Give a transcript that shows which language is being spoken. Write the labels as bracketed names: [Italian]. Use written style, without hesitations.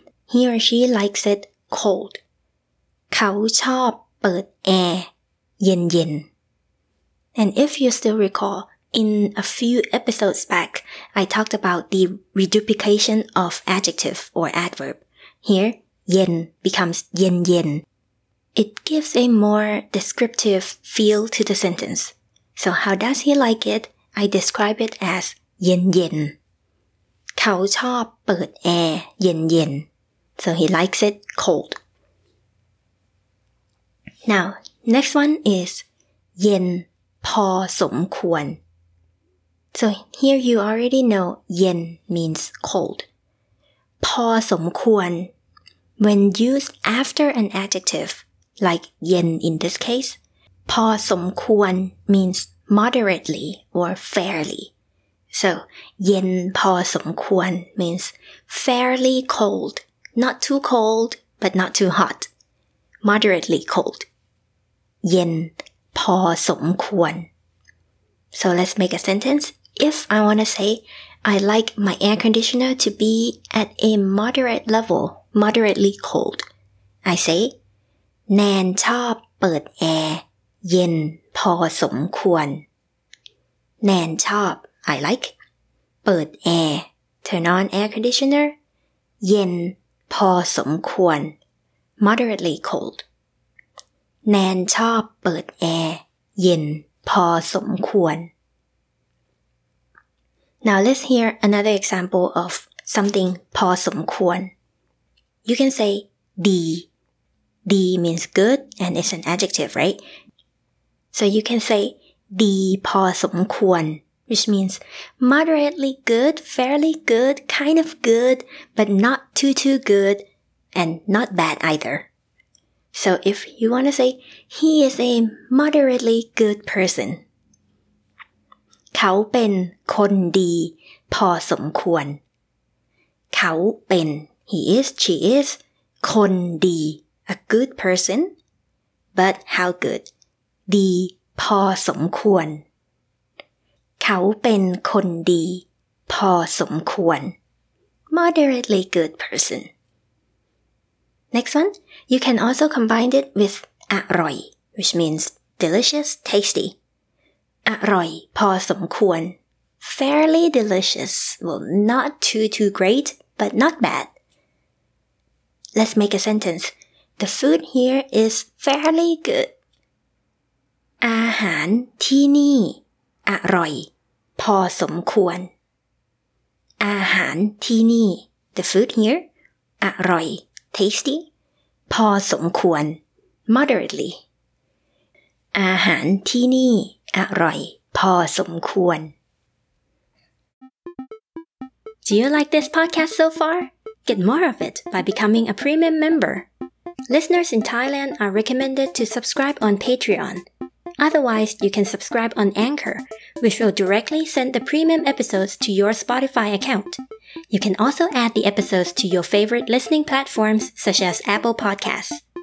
[English] He or she likes it cold. [Thai] เขาชอบเปิด air, เย็นๆ [English] And if you still recall, in a few episodes back, I talked about the reduplication of adjective or adverb. Here, เย็น becomes เย็นๆIt gives a more descriptive feel to the sentence. So how does he like it? I describe it as เย็นเย็น [Thai] เขาชอบเปิดแอร์เย็นเย็น [English] So he likes it cold. Now, next one is เย็นพอสมควร So here you already know เย็น means cold. พอสมควร When used after an adjective,Like yen in this case, พอสมควร means moderately or fairly. So, yen พอสมควร means fairly cold, not too cold, but not too hot. Moderately cold. [Thai] Yen พอสมควร. [English] So let's make a sentence. If I want to say, I like my air conditioner to be at a moderate level, moderately cold, I say, [Thai] แนนชอบเปิดแอร์เย็นพอสมควร [English] แนนชอบ I like เปิดแอร์ turn on air conditioner เย็นพอสมควร moderately cold [Thai] แนนชอบเปิดแอร์เย็นพอสมควร [English] Now let's hear another example of something พอสมควร You can say ดีดี means good and it's an adjective, right? So you can say ดีพอสมควร which means moderately good, fairly good, kind of good, but not too too good and not bad either. So if you want to say he is a moderately good person. [Thai] เขาเป็นคนดีพอสมควร [English] เขาเป็น he is, she is, คนดีA good person, but how good? [Thai] ดีพอสมควร เขาเป็นคนดีพอสมควร [English] Moderately good person. Next one, you can also combine it with อร่อย which means delicious, tasty. อร่อยพอสมควร Fairly delicious, well, not too too great, but not bad. Let's make a sentence. The food here is fairly good. [Thai] อาหารที่นี่อร่อยพอสมควร [English] อาหารที่นี่ The food here อร่อย Tasty พอสมควร Moderately [Thai] อาหารที่นี่อร่อยพอสมควร [English] Do you like this podcast so far? Get more of it by becoming a premium member. Listeners in Thailand are recommended to subscribe on Patreon. Otherwise, you can subscribe on Anchor, which will directly send the premium episodes to your Spotify account. You can also add the episodes to your favorite listening platforms such as Apple Podcasts.